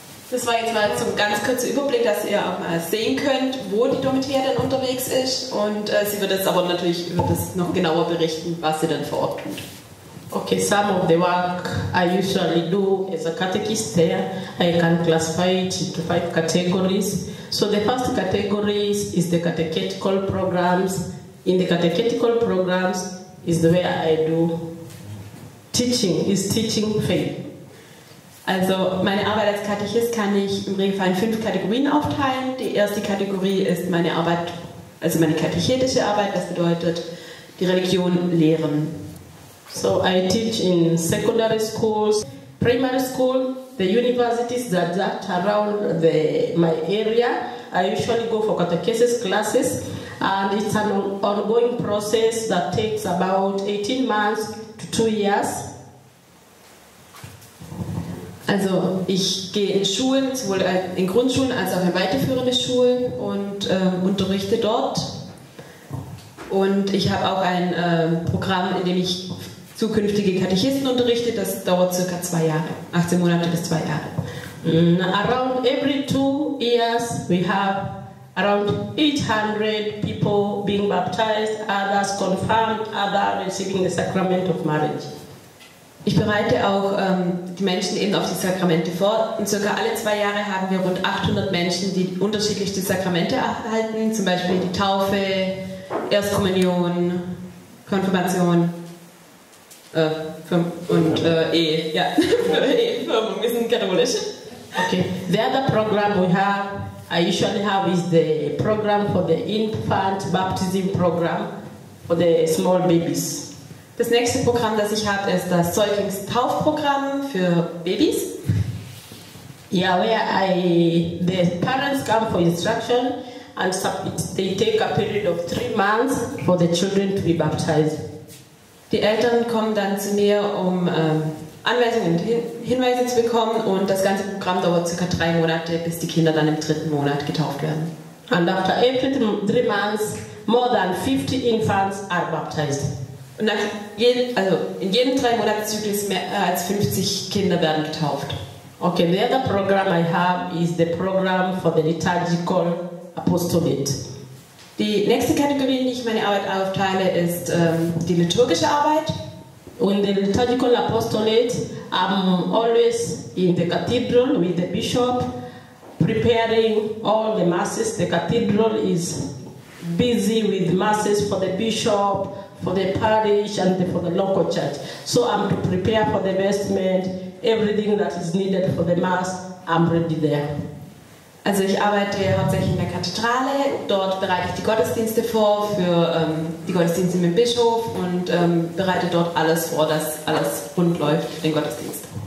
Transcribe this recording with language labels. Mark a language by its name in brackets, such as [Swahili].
[German] Das war jetzt mal zum ganz kurzen Überblick, dass ihr auch mal sehen könnt, wo die Dorothea denn unterwegs ist. Und sie wird jetzt aber natürlich wird das noch genauer berichten, was sie denn vor Ort tut. [English] Okay, some of the work I usually do as a catechist there, I can classify it into 5 categories. So the first category is the catechetical programs. In the catechetical programs is the way I do teaching, is teaching faith. [German] Also meine Arbeit als Katechist kann ich im Regelfall in 5 Kategorien aufteilen. Die erste Kategorie ist meine Arbeit, also meine katechetische Arbeit, das bedeutet die Religion lehren. [English] So I teach in secondary schools, primary school, the universities that around the my area. I usually go for catechesis classes and it's an ongoing process that takes about 18 months to 2 years. [German] Also ich gehe in Schulen, sowohl in Grundschulen als auch in weiterführende Schulen und unterrichte dort. Und ich habe auch ein Programm, in dem ich zukünftige Katechisten unterrichte. Das dauert circa 2 Jahre, 18 Monate bis 2 Jahre. [English] Around every 2 years we have around 800 people being baptized, others confirmed, others receiving the sacrament of marriage. [German] Ich bereite auch die Menschen eben auf die Sakramente vor. Und circa alle 2 Jahre haben wir rund 800 Menschen, die unterschiedlichste Sakramente erhalten, zum Beispiel die Taufe, Erstkommunion, Konfirmation und Ehe. Ja, Ehefirmung, wir sind katholisch. [English] Okay, the other program we have, I usually have, is the program for the infant baptism program for the small babies. [German] Das nächste Programm, das ich habe, ist das Säuglingstaufprogramm für Babys. [English] Ja, where the parents come for instruction and they take a period of 3 months for the children to be baptized. [German] Die Eltern kommen dann zu mir, um Anweisungen und Hinweise zu bekommen und das ganze Programm dauert ca. 3 Monate, bis die Kinder dann im 3. Monat getauft werden. [English] And after 3 months, more than 50 infants are baptized. [German] Und in jedem 3 Monatszyklus mehr als 50 Kinder werden getauft. [English] Okay, the other program I have is the program for the liturgical apostolate. [German] Die nächste Kategorie, in die ich meine Arbeit aufteile, ist die liturgische Arbeit. [English] Und the liturgical apostolate, I'm always in the cathedral with the bishop, preparing all the masses. The cathedral is busy with masses for the bishop, for the parish and for the local church. So I'm to prepare for the vestment, everything that is needed for the mass, I'm ready there. [German] Also ich arbeite hauptsächlich in der Kathedrale, dort bereite ich die Gottesdienste vor für die Gottesdienste mit dem Bischof und bereite dort alles vor, dass alles rund läuft, den Gottesdienst.